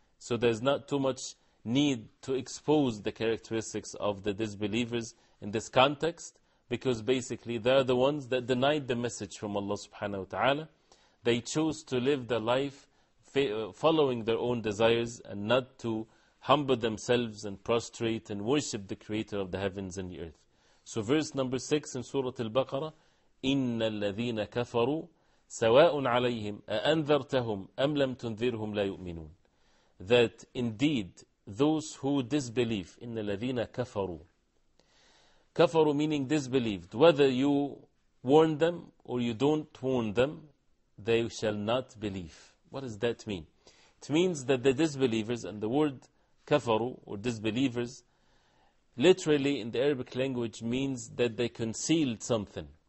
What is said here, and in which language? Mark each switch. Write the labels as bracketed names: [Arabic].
[English] So there's not too much need to expose the characteristics of the disbelievers in this context, because basically they are the ones that denied the message from Allah subhanahu wa ta'ala. They chose to live their life following their own desires and not to humble themselves and prostrate and worship the creator of the heavens and the earth. So verse number 6 in Surah Al-Baqarah, [Arabic] إِنَّ الَّذِينَ كَفَرُوا سَوَاءٌ عَلَيْهِمْ أَأَنذَرْتَهُمْ أَمْ لَمْ تُنذِرْهُمْ لَا يُؤْمِنُونَ. [English] That indeed those who disbelieve, [Arabic] إِنَّ الَّذِينَ كَفَرُوا, [English] كَفَرُوا meaning disbelieved, whether you warn them or you don't warn them, they shall not believe. What does that mean? It means that the disbelievers, and the word kafaru or disbelievers, literally in the Arabic language means that they concealed something.